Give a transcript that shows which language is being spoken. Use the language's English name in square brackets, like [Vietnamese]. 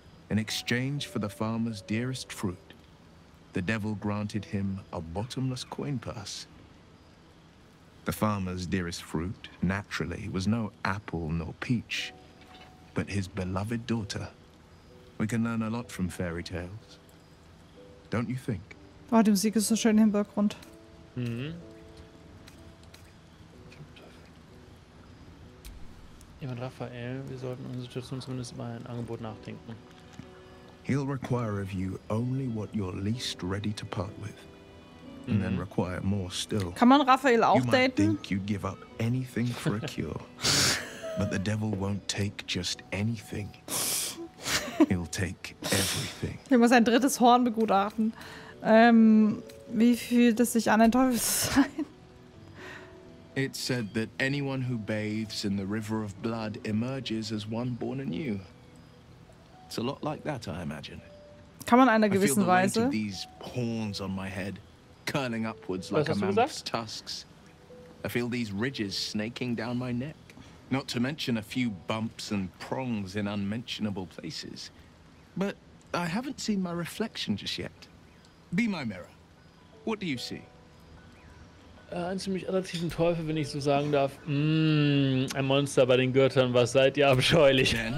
[English] In exchange for the farmer's dearest fruit, the devil granted him a bottomless coin purse. The farmer's dearest fruit, naturally, was no apple nor peach, but his beloved daughter. We can learn a lot from fairy tales. Don't you think? [German] Oh, die Musik ist so schön im Background. Mhm. Jemand Raphael, wir sollten unsere Situation zumindest über ein Angebot nachdenken. [English] He'll require of you only what you're least ready to part with. And then require more still. [German] Kann man Raphael auch daten? [English] You might think you'd give up anything for a cure. But the devil won't take just anything. He'll take everything. [German] Ich muss ein drittes Horn begutachten. Wie fühlt es sich an, ein Teufel zu sein? [English] It's said that anyone who bathes in the river of blood emerges as one born anew. It's a lot like that, I imagine. [German] Kann man einer gewissen Weise? [English] I feel the weight of these horns on my head, curling upwards like a mammoth's tusks. I feel these ridges snaking down my neck. Not to mention a few bumps and prongs in unmentionable places. But I haven't seen my reflection just yet. Be my mirror. What do you see? [German] Ein ziemlich attraktiven Teufel, wenn ich so sagen darf. Ein Monster bei den Göttern, was seid ihr abscheulich?